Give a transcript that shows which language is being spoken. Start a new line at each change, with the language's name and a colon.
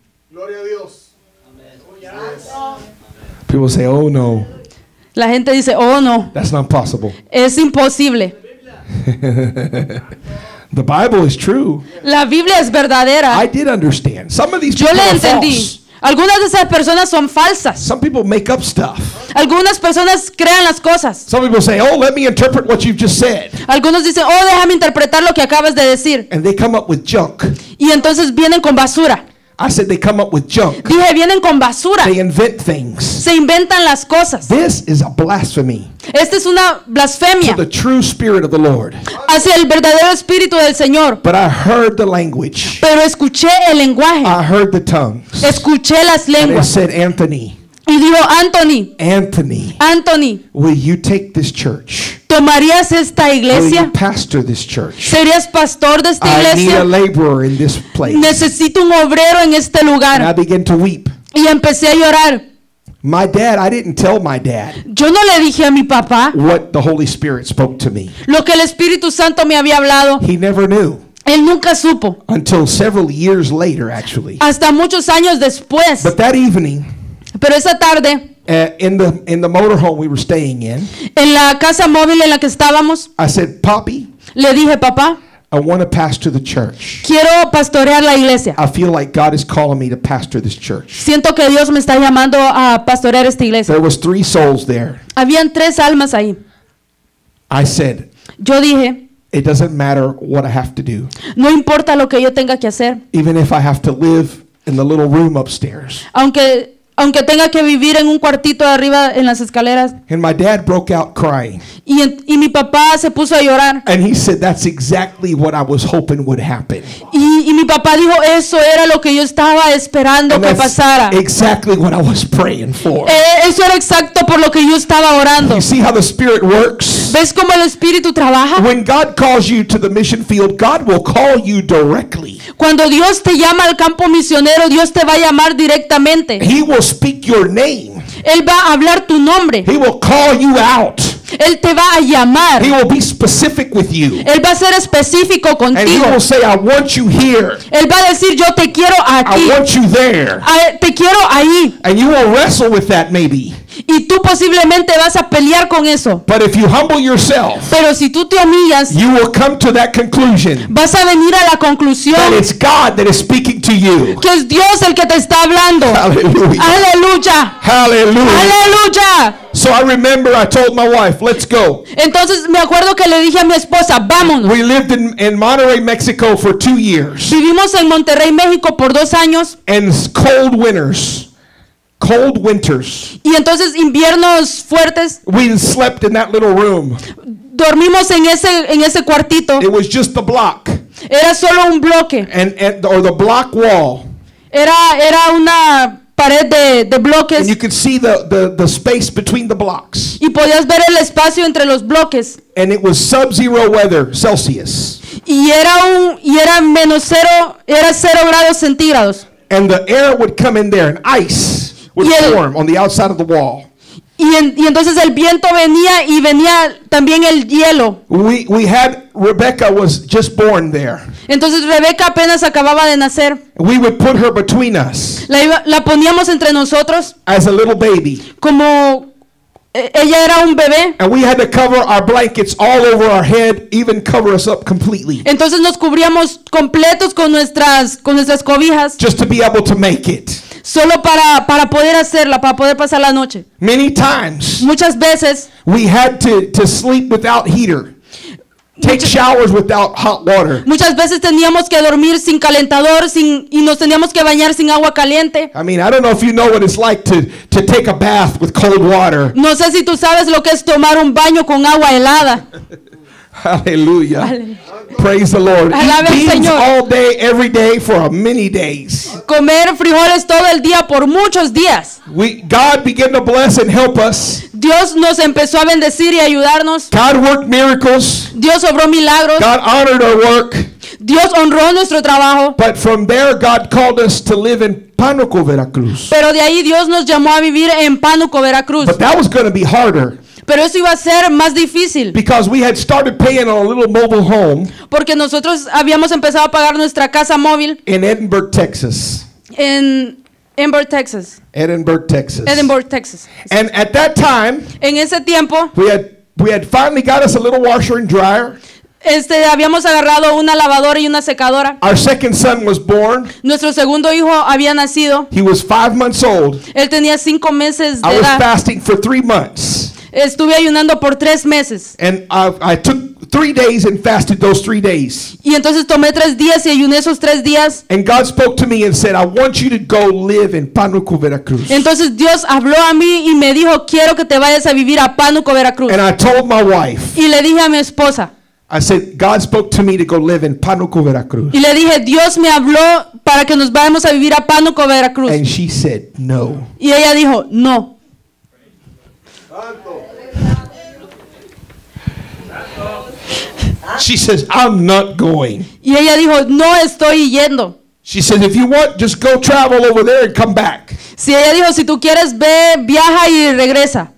Spanish: Gloria a Dios.
English: People say, oh no.
Spanish: La gente dice, oh no.
English: That's not possible.
Spanish: Es imposible.
English: The Bible is true.
Spanish: La Biblia es verdadera.
English: I did understand. Some of these
Spanish: Yo
English: people
Spanish: le entendí.
English: Are false.
Spanish: Algunas de esas personas son falsas.
English: Some people make up stuff.
Spanish: Algunas personas crean las cosas.
English: Some people say, "Oh, let me interpret what you've just said."
Spanish: Algunos dicen, "Oh, déjame interpretar lo que acabas de decir."
English: And they come up with junk.
Spanish: Y entonces vienen con basura.
English: I said they come up with junk.
Spanish: Dije, vienen con basura.
English: They invent things.
Spanish: Se inventan las cosas.
English: This is a blasphemy.
Spanish: Esta es una blasfemia.
English: To the true spirit of the Lord.
Spanish: Hacia el verdadero espíritu del Señor.
English: But I heard the language.
Spanish: Pero escuché el lenguaje.
English: I heard the tongues.
Spanish: Escuché las lenguas.
English: And I said, Anthony.
Spanish: Y dijo, Anthony.
English: Anthony.
Spanish: Anthony.
English: Will you take this church?
Spanish: ¿Tomarías esta iglesia?
English: Will you pastor this church?
Spanish: ¿Serías pastor de esta iglesia?
English: I need a laborer in this place.
Spanish: Necesito un obrero en este lugar.
English: And I began to weep.
Spanish: Y empecé a llorar.
English: My dad, I didn't tell my dad.
Spanish: Yo no le dije a mi papá.
English: What the Holy Spirit spoke to me.
Spanish: Lo que el Espíritu Santo me había hablado.
English: He never knew.
Spanish: Él nunca supo.
English: Until several years later, actually.
Spanish: Hasta muchos años después.
English: But that evening.
Spanish: Pero esa tarde.
English: In the motorhome we were staying in.
Spanish: En la casa móvil en la que estábamos.
English: I said, Poppy.
Spanish: Le dije, papá.
English: I want to pastor the church.
Spanish: Quiero pastorear la iglesia.
English: I feel like God is calling me to pastor this church.
Spanish: Siento que Dios me está llamando a pastorear esta iglesia.
English: There was 3 souls there.
Spanish: Habían 3 almas ahí.
English: I said.
Spanish: Yo dije.
English: It doesn't matter what I have to do.
Spanish: No importa lo que yo tenga que hacer.
English: Even if I have to live in the little room upstairs.
Spanish: Aunque aunque tenga que vivir en un cuartito de arriba en las escaleras.
English: And my dad broke out crying.
Spanish: Y mi papá se puso a llorar.
English: And he said, "That's exactly what I was hoping would happen."
Spanish: Y mi papá dijo, eso era lo que yo estaba esperando
English: and
Spanish: que pasara.
English: Exactly what I was praying for.
Spanish: Eso era exacto por lo que yo estaba orando.
English: You see how the Spirit works?
Spanish: ¿Ves cómo el Espíritu trabaja?
English: When God calls you to the mission field, God will call you directly.
Spanish: Cuando Dios te llama al campo misionero, Dios te va a llamar directamente.
English: He will speak your name.
Spanish: Él va a hablar tu nombre.
English: He will call you out.
Spanish: Él te va a llamar.
English: He will be specific with you.
Spanish: Él va a ser específico contigo.
English: And he will say, "I want you here."
Spanish: Él va a decir, "Yo te quiero aquí."
English: "I want you there."
Spanish: Te quiero ahí.
English: And you will wrestle with that maybe.
Spanish: Y tú posiblemente vas a pelear con eso.
English: But if you humble yourself,
Spanish: pero si tú te humillas,
English: you will come to that conclusion.
Spanish: Vas a venir a la conclusión.
English: That it's God that is speaking to you.
Spanish: Que es Dios el que te está hablando. Aleluya. Aleluya. Aleluya.
English: So I remember I told my wife, "Let's go."
Spanish: Entonces me acuerdo que le dije a mi esposa, "Vámonos."
English: We lived in Monterrey, Mexico for 2 years.
Spanish: Vivimos en Monterrey, México por 2 años.
English: And cold winters. Cold winters.
Spanish: Y entonces inviernos fuertes.
English: We slept in that little room.
Spanish: Dormimos en ese cuartito.
English: It was just the block.
Spanish: Era solo un bloque.
English: Or the block wall.
Spanish: Era una pared de bloques.
English: And you could see the space between the blocks.
Spanish: Y podías ver el espacio entre los bloques.
English: And it was sub-zero weather, Celsius.
Spanish: Y era menos cero, era 0 grados centígrados.
English: And the air would come in there, and ice. Warm on the outside of the wall.
Spanish: Y entonces el viento venía y venía también el hielo.
English: We had Rebecca was just born there.
Spanish: Entonces Rebecca apenas acababa de nacer.
English: We would put her between us.
Spanish: La poníamos entre nosotros.
English: As a little baby.
Spanish: Como ella era un bebé.
English: And we had to cover our blankets all over our head, even cover us up completely.
Spanish: Entonces nos cubríamos completos con nuestras cobijas.
English: Just to be able to make it.
Spanish: Solo para poder hacerla, para poder pasar la noche.
English: Many times.
Spanish: Muchas veces.
English: We had to sleep without heater. Take showers without hot water.
Spanish: Muchas veces teníamos que dormir sin calentador, y nos teníamos que bañar sin agua caliente.
English: I mean, I don't know if you know what it's like to take a bath with cold water.
Spanish: No sé si tú sabes lo que es tomar un baño con agua helada.
English: Hallelujah. Praise the Lord.
Spanish: Alabe
English: eat beans
Spanish: Señor.
English: All day, every day, for many days.
Spanish: Comer frijoles todo el día por muchos días.
English: God began to bless and help us.
Spanish: Dios nos empezó a bendecir y ayudarnos.
English: God worked miracles.
Spanish: Dios obró milagros.
English: God honored our work.
Spanish: Dios honró nuestro trabajo.
English: But from there, God called us to live in Pánuco, Veracruz.
Spanish: Pero de ahí Dios nos llamó a vivir en Pánuco, Veracruz.
English: But that was going to be harder.
Spanish: Pero eso iba a ser más difícil.
English: Because we had started paying on a little mobile home.
Spanish: Porque nosotros habíamos empezado a pagar nuestra casa móvil.
English: In Edinburgh, Texas.
Spanish: En Edinburgh, Texas.
English: Edinburgh, Texas.
Spanish: Edinburgh, Texas.
English: And at that time,
Spanish: en ese tiempo,
English: we had finally got us a little washer and dryer.
Spanish: Habíamos agarrado una lavadora y una secadora.
English: Our second son was born.
Spanish: Nuestro segundo hijo había nacido.
English: He was 5 months old.
Spanish: Él tenía 5 meses de
English: I
Spanish: edad.
English: I was fasting for 3 months.
Spanish: Estuve ayunando por 3 meses.
English: And I took 3 days and fasted those 3 days.
Spanish: Y entonces tomé 3 días y ayuné esos 3 días.
English: And God spoke to me and said, "I want you to go live in Pánuco, Veracruz."
Spanish: Entonces Dios habló a mí y me dijo, "Quiero que te vayas a vivir a Pánuco, Veracruz."
English: And I told my wife.
Spanish: Y le dije a mi esposa.
English: I said, "God spoke to me to go live in Pánuco, Veracruz."
Spanish: Y le dije, "Dios me habló para que nos vayamos a vivir a Pánuco, Veracruz."
English: And she said, "No."
Spanish: Y ella dijo, "No."
English: She says, "I'm not going."
Spanish: Y ella dijo, "No estoy yendo."
English: She says, "If you want, just go travel over there and come back."
Spanish: Si ella dijo, "Si tú quieres, ve, viaja y regresa."